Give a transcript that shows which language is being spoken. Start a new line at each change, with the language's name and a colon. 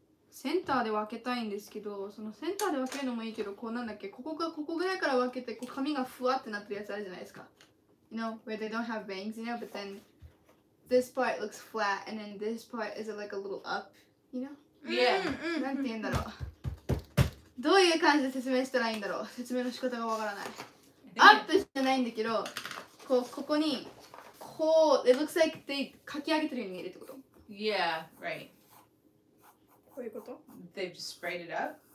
Japanese: センターで分けたいんですけど、そのセンターで分けるのもいいけど、こうなんだっけ、ここがここぐらいから分けて、こう髪がふわってなってるやつあるじゃないですか。
English: You know, where they don't have bangs, you know, but then this part looks flat, and then this part is like a little up, you know? Yeah.
Japanese: なんて言うんだろう。どういう感じで説明したらいいんだろう。説明の仕方がわからない。アップじゃないんだけど、こうここにこう、
English: it looks like they
Japanese: かき上げてるように見えるってこと。
English: Yeah, right.
Japanese: こういうこと?
English: They've just sprayed it up?